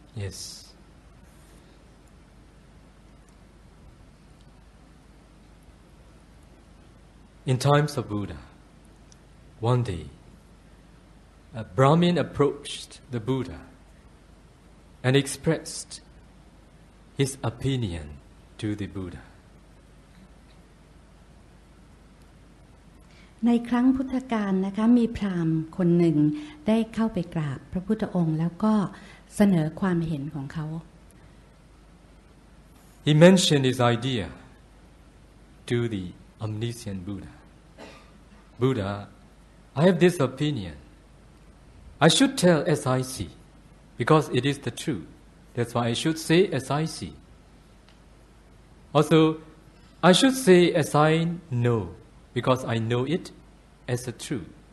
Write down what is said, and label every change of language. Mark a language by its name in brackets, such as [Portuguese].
[English] Yes In times of Buddha one day a Brahmin approached the Buddha and expressed his opinion to the Buddha [Thai] ในครั้งพุทธกาลนะคะมีพราหมณ์คนหนึ่งได้เข้าไปกราบพระพุทธองค์แล้วก็เสนอความเห็นของเขา [English] He mentioned his idea to the omniscient BuddhaBuddha, I have this opinion. I should tell as I see, because it is the truth. That's why I should say as I see. Also, I should say as I know, because I know it as the truth.